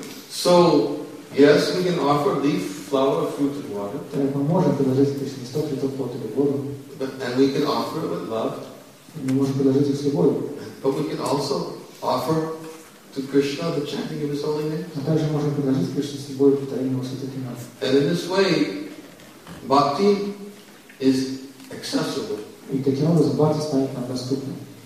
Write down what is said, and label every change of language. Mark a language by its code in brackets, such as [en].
[en] So, yes, we can offer leaf, flower, fruit, and water. [ru] Мы можем предложить их листок, цветок, плод или воду. [en] And we can offer it with love. [ru] Мы можем предложить их с любовью. [en] But we can also offer to Krishna the chanting of his holy name. [ru] Мы также можем предложить Кришне с любовью повторение его святых имен. [en] And in this way, bhakti is accessible. [ru] И таким образом бхакти станет нам доступным.